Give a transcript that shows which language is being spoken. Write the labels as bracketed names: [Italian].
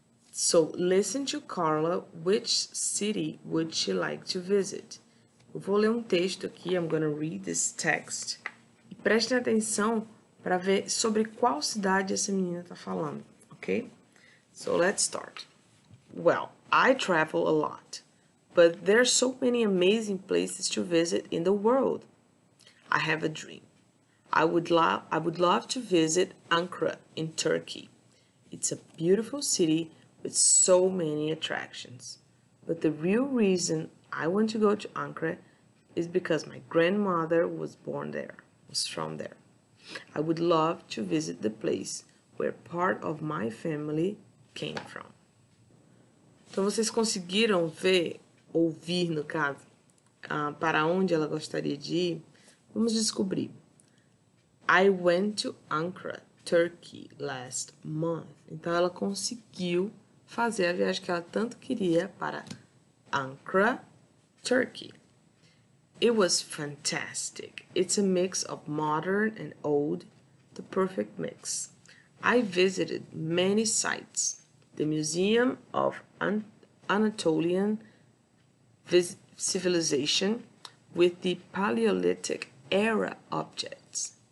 [English] So listen to Carla, which city would she like to visit? [Portuguese] Eu vou ler texto aqui, [English] I'm going to read this text. [Portuguese] E prestem atenção para ver sobre qual cidade essa menina está falando, ok? [English] So let's start. Well, I travel a lot, but there are so many amazing places to visit in the world. I have a dream. I would love to visit Ankara in Turkey. It's a beautiful city with so many attractions. But the real reason I want to go to Ankara is because my grandmother was from there. I would love to visit the place where part of my family came from. [Portuguese] Então vocês conseguiram ver, ouvir no caso, para onde ela gostaria de ir? Vamos descobrir. [English] I went to Ankara, Turkey, last month. [Portuguese] Então ela conseguiu fazer a viagem que ela tanto queria para Ankara, Turkey. [English] It was fantastic. It's a mix of modern and old, the perfect mix. I visited many sites. The Museum of Anatolian Civilization with the Paleolithic Era objects.